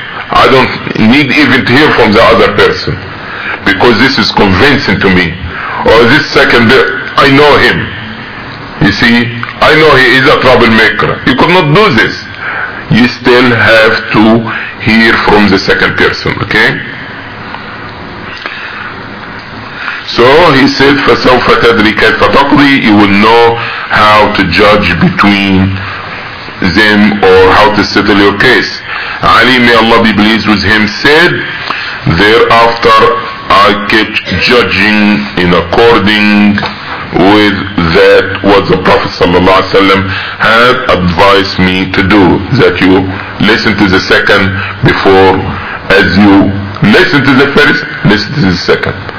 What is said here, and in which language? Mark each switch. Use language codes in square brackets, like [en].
[en] I don't need even to hear from the other person, because this is convincing to me. Or this second, I know him. You see, I know he is a troublemaker. You could not do this. You still have to hear from the second person, okay? So he said, [ar] فَسَوْفَ تَدْرِي كَيْفَ تَقْضِي. [en] You will know how to judge between them or how to settle your case. Ali, may Allah be pleased with him, said, thereafter I kept judging in according with that what the Prophet ﷺ had advised me to do, that you listen to the second before, as you listen to the first, listen to the second.